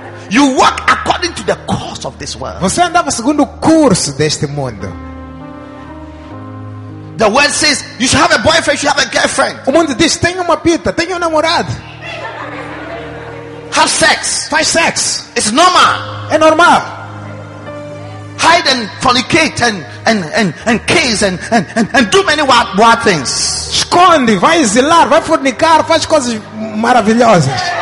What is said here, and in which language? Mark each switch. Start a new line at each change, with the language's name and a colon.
English: You walk according to the course of this world.
Portuguese: Você andava segundo o curso deste mundo.
English: The world says you should have a boyfriend, you should have a girlfriend.
Portuguese: O mundo diz tenha uma pita, tenha um namorado.
English: Have sex.
Portuguese: Faz sex.
English: It's normal.
Portuguese: É normal.
English: Hide and fornicate and kiss and do many wild things.
Portuguese: Esconde, vai exilar, vai fornicar, faz coisas maravilhosas.